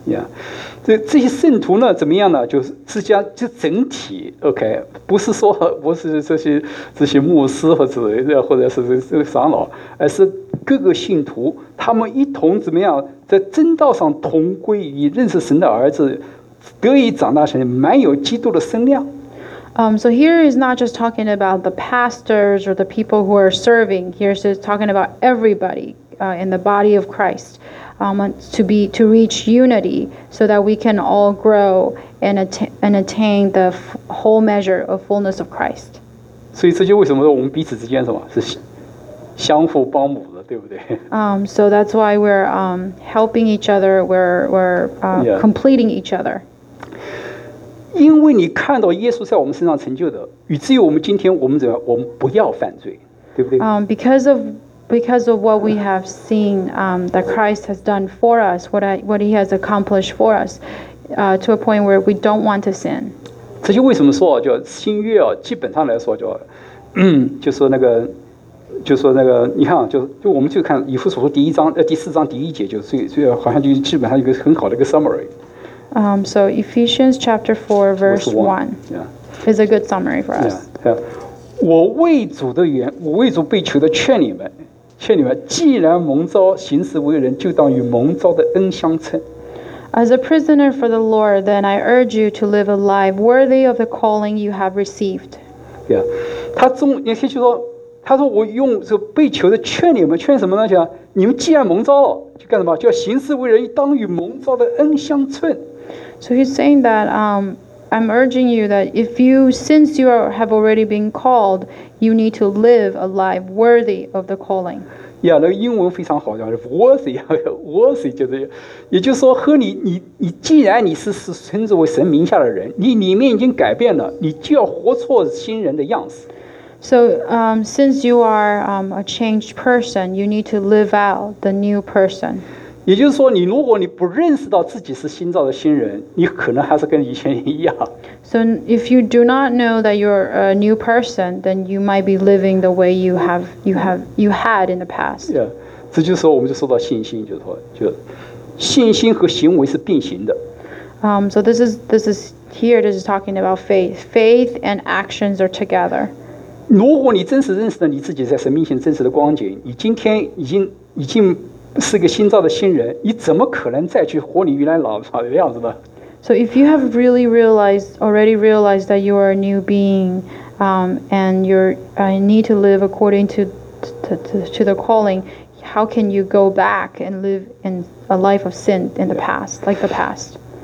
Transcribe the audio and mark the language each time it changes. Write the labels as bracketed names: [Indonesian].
[Chinese] Yeah，这些圣徒呢怎么样呢？就是自家就整体，OK，不是说不是这些牧师或者是长老，而是各个信徒，他们一同怎么样在真道上同归于认识神的儿子，得以长大成人，满有基督的身量。 [English] So here is not just talking about the pastors or the people who are serving. Here is talking about everybody in the body of Christ, to reach unity so that we can all grow and attain the whole measure of fullness of Christ. [Chinese] 所以这就为什么说我们彼此之间什么是相互帮扶的，对不对？ [English] So that's why we're helping each other. We're completing each other. [Chinese] 因为你看到耶稣在我们身上成就的，以至于我们今天我们怎么样，我们不要犯罪，对不对？ [English] Because of what we have seen, that Christ has done for us, what He has accomplished for us, to a point where we don't want to sin. [Chinese] 这就为什么说叫新约啊，基本上来说叫，就说那个。就说那个，你看，就我们就看以弗所书第一章第四章第一节，就最好像就基本上一个很好的一个 summary。 [English] So Ephesians chapter 4 verse 1 is a good summary for us. Yeah. [Chinese] 我为主被囚的劝你们，既然蒙召行事为人，就当与蒙召的恩相称。 [English] As a prisoner for the Lord, then I urge you to live a life worthy of the calling you have received. [Chinese] Yeah. 他中也就是说。他说我用这被囚的劝你们，劝什么呢？讲你们既然蒙召了，就干什么？就要行事为人，当与蒙召的恩相称。 [English] So he's saying that, I'm urging you that if you, since you are, have already been called, you need to live a life worthy of the calling. [Chinese] Yeah, 那个英文非常好，叫 worthy 就是，也就是说和你既然你是称之为神名下的人，你里面已经改变了，你就要活出新人的样子。 [English] So, since you are a changed person, you need to live out the new person. [Chinese] 也就是说，你如果你不认识到自己是新造的新人，你可能还是跟以前一样。 [English] So, if you do not know that you're a new person, then you might be living the way you had in the past. [Chinese] Yeah, 这就是说，我们就说到信心，就是说，就信心和行为是并行的。 [English] So this is here. This is talking about faith. Faith and actions are together. [Chinese] 如果你真实认识了你自己在神面前真实的光景，你今天已经是个新造的新人，你怎么可能再去活你原来老早的样子呢？ [English] So if you have really already realized that you are a new being, and you need to live according to the calling, how can you go back and live in a life of sin in the past, like the past?